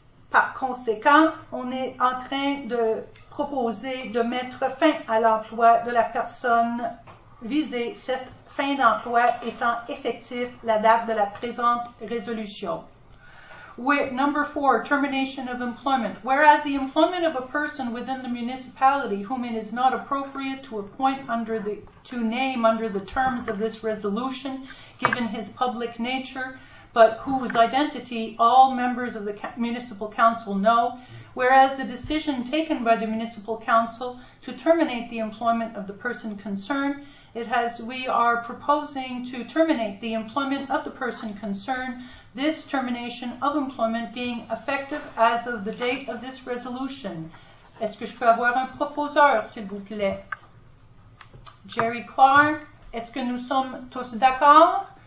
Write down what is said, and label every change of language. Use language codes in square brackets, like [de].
[fr] Par conséquent, on est en train de proposer de mettre fin à l'emploi de la personne visée, cette fin d'emploi étant effective la date de la présente résolution. [en] With number four, termination of employment. Whereas the employment of a person within the municipality whom it is not appropriate to appoint under the to name under the terms of this resolution, given his public nature, but whose identity all members of the municipal council know, whereas the decision taken by the municipal council to terminate the employment of the person concerned, it has we are proposing to terminate the employment of the person concerned. This termination of employment being effective as of the date of this resolution. [fr] Est-ce que je peux avoir un proposeur, s'il vous plaît? Jerry Clark, est-ce que nous sommes tous d'accord?